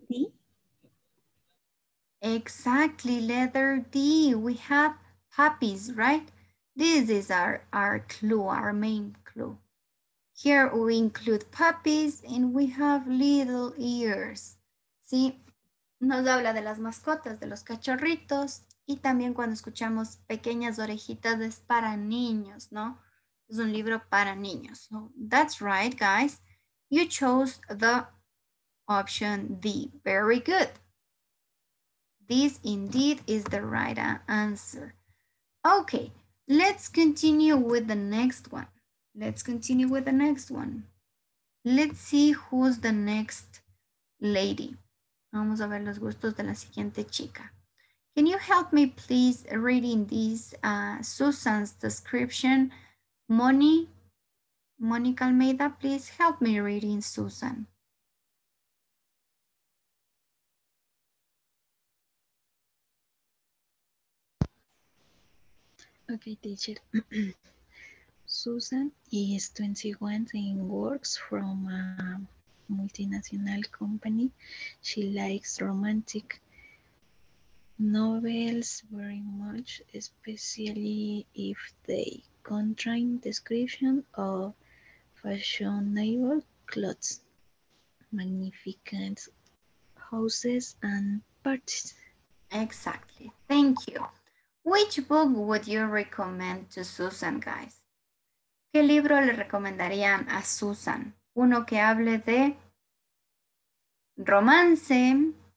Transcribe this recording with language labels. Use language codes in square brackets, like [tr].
[en] D. Exactly, letter D. We have puppies, right? This is our clue, our main clue. Here we include puppies and we have little ears. [es] ¿Sí? Nos habla de las mascotas, de los cachorritos. Y también cuando escuchamos pequeñas orejitas es para niños, ¿no? Es un libro para niños. [en] So that's right, guys. You chose the option D. Very good. This indeed is the right answer. Okay, let's continue with the next one. Let's continue with the next one. Let's see who's the next lady. [es] Vamos a ver los gustos de la siguiente chica. [en] Can you help me please reading this Susan's description? Monica Almeida, please help me reading Susan. Okay, teacher. Susan is 21 and works from a multinational company. She likes romantic novels very much, especially if they contain description of fashionable clothes, magnificent houses and parties. Exactly. Thank you. Which book would you recommend to Susan, guys? [es] ¿Qué libro le recomendarían a Susan? Uno que hable de romance,